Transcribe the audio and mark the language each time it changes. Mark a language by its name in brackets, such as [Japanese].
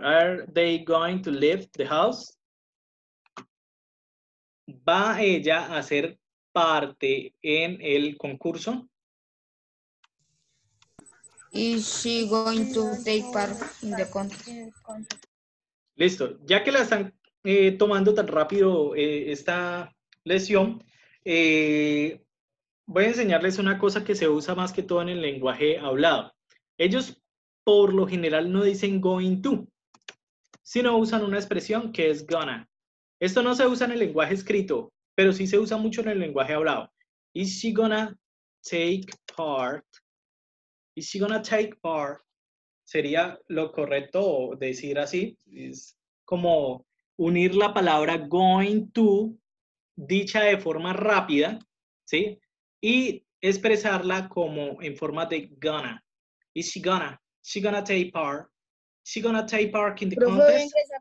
[English] Are they going to leave the house? [Spanish] ¿Va ella a ser parte en el concurso? [English] Is she going to take part in the contest? [Spanish] Listo, ya que la están tomando tan rápido esta lesión, voy a enseñarles una cosa que se usa más que todo en el lenguaje hablado. Ellos por lo general no dicen going to, sino usan una expresión que es gonna. Esto no se usa en el lenguaje escrito, pero sí se usa mucho en el lenguaje hablado. [English] Is she gonna take part? Is she gonna take part? [Spanish] Sería lo correcto decir así. Es como unir la palabra going to, dicha de forma rápida, ¿sí? Y expresarla como en forma de gonna. [English] Is she gonna? She gonna take part? She gonna take part in the contest?